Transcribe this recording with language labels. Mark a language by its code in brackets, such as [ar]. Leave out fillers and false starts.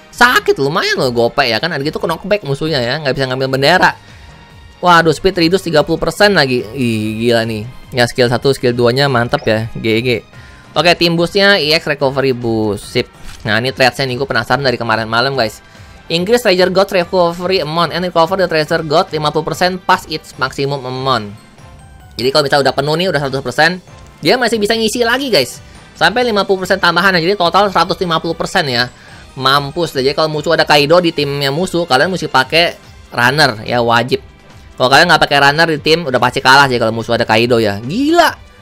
[id] Sakit, lumayan loh gope ya. Kan ada gitu knockback musuhnya ya. Nggak bisa ngambil bendera. Waduh, speed reduce 30% lagi. Ih, gila nih. Ya, skill 1, skill 2-nya mantap ya. GG. Oke, team boost-nya EX Recovery Boost. Sip. Nah, ini threads-nya nih. Gue penasaran dari kemarin malam, guys. [en] Increase Treasure God Recovery Amount and Recover the Treasure God 50% past its maximum amount. [id] Jadi, kalau misalnya udah penuh nih, udah 100%, dia masih bisa ngisi lagi, guys. Sampai 50% tambahan. Jadi, total 150% ya. Mampus. Jadi, kalau musuh ada Kaido di timnya musuh, kalian mesti pakai runner. Ya, wajib. Kalau kalian nggak pakai runner di tim, udah pasti kalah sih kalau musuh ada Kaido ya. Gila!